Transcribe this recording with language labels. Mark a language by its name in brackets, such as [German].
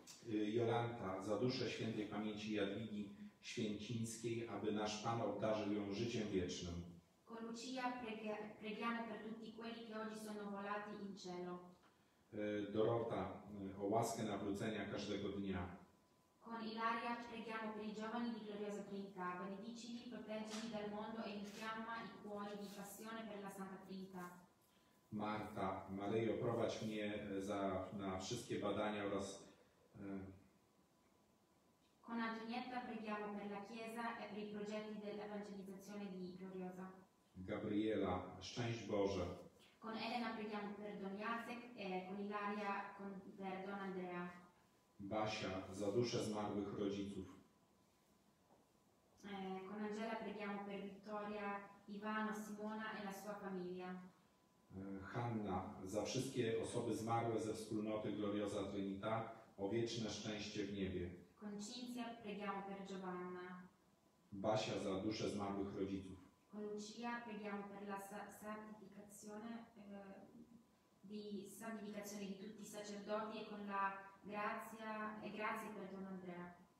[Polish] Jolanta, za duszę świętej pamięci Jadwigi Święcińskiej, aby nasz Pan obdarzył ją życiem wiecznym. [Italian] Con Lucia preghiamo per tutti quelli che oggi sono volati in cielo. [Polish] Dorota, o łaskę nawrócenia każdego dnia. [Italian] Con Ilaria preghiamo per i giovani di Gloriosa Trinità, benedicili, proteggili dal mondo e infiamma i cuori di passione per la Santa Trinità. [Polish] Marta, Maryjo, prowadź mnie na wszystkie badania oraz... [Italian] Con Antonietta preghiamo per la Chiesa e per i progetti dell'evangelizzazione di Gloriosa. [Polish] Gabriela, szczęść Boże. [Italian] Con Elena preghiamo per Don Jacek e con Ilaria per Don Andrea. [Polish] Basia, za dusze zmarłych rodziców. [Italian] Con Angela preghiamo per Vittoria, Ivano, Simona e la sua famiglia. [Polish] Hanna, za wszystkie osoby zmarłe ze wspólnoty Gloriosa Trinità o wieczne szczęście w niebie. [Italian] Concinzia, preghiamo per Giovanna. [Polish] Basia, za duszę zmarłych rodziców. [Italian] Concia, preghiamo per la santificazione di santificazione di tutti i sacerdoti e con la grazia e grazie per Don Andrea.